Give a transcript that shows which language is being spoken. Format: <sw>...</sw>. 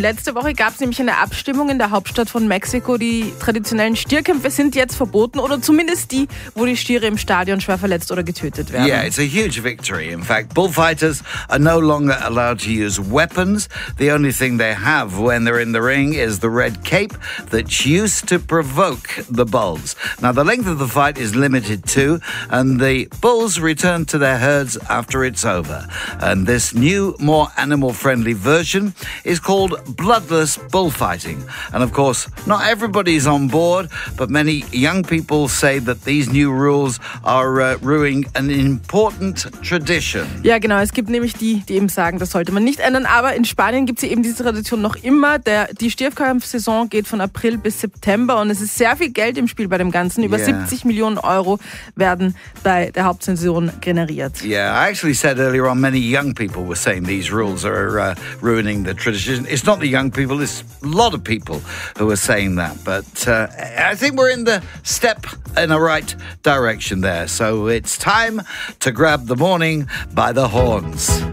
<de>Letzte Woche gab es nämlich eine Abstimmung in der Hauptstadt von Mexiko. Die traditionellen Stierkämpfe sind jetzt verboten oder zumindest die, wo die Stiere im Stadion schwer verletzt oder getötet werden.</de> <en>Yeah, it's a huge victory. In fact, bullfighters are no longer allowed to use weapons. The only thing they have when they're in the ring is the red cape that's used to provoke the bulls. Now, the length of the fight is limited too, and the bulls return to their herds after it's over. And this new, more animal-friendly version is called bloodless bullfighting. And of course, not everybody's on board, but many young people say that these new rules are ruining an important tradition.</en> <de>Ja, genau. Es gibt nämlich die eben sagen, das sollte man nicht ändern. Aber in Spanien gibt es eben diese Tradition noch immer. Die Stierkampfsaison geht von April bis September und es ist sehr viel Geld im Spiel bei dem Ganzen. Über 70 Millionen Euro werden bei der Hauptsaison generiert.</de> <en>Yeah, I actually said earlier on, many young people were saying these rules are ruining the tradition. It's not the young people, it's a lot of people who are saying that. But I think we're in the step in the right direction there. So it's time to grab the morning by the horns.</en>